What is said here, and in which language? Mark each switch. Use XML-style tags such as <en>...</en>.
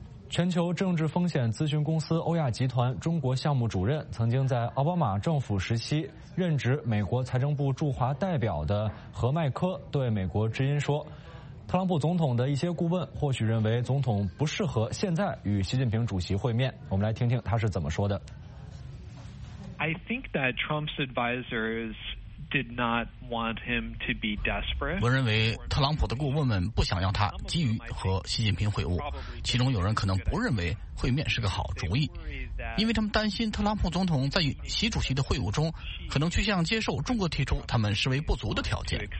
<zh>全球政治风险咨询公司欧亚集团中国项目主任，曾经在奥巴马政府时期任职美国财政部驻华代表的何麦科对美国之音说，特朗普总统的一些顾问或许认为总统不适合现在与习近平主席会面。我们来听听他是怎么说的。</zh> <en>I think that Trump's advisorsDid not want him to be desperate.</en> <zh>我认为特朗普的顾问们不想要他急于和习近平会晤，其中有人可能不认为会面是个好主意，因为他们担心特朗普总统在与习主席的会晤中可能趋向接受中国提出他们视为不足的条件。</zh>